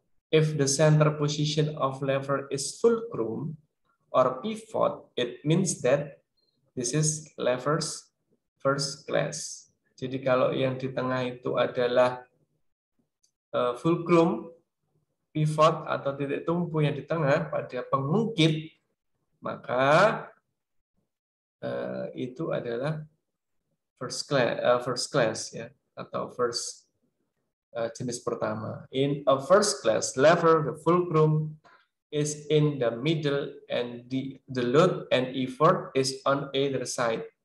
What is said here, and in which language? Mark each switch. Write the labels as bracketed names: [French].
[English] If the center position of lever is fulcrum or pivot, it means that this is lever's first class. [Indonesian] Jadi kalau yang di tengah itu adalah fulcrum, pivot atau titik tumpu yang di tengah pada pengungkit, maka itu adalah first class ya, atau first jenis pertama. [English] In a first class lever, the fulcrum is in the middle and the load and effort is on either side.